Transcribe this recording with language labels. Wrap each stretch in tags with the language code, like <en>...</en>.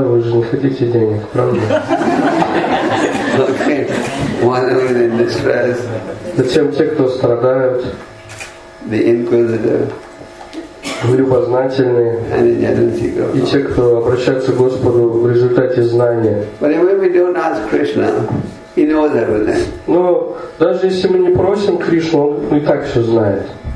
<ru>Вы же не хотите денег, правда?</ru> <en>Okay. When in distress.</en> <ru>Затем те, кто страдают.</ru> <en>The inquisitive.</en> <ru>Любознательные и те, кто обращаются к Господу в результате знания.</ru> <en>But even if we don't ask Krishna, He knows everything.</en> <ru>Но даже если мы не просим Кришну, Он и так все знает.</ru>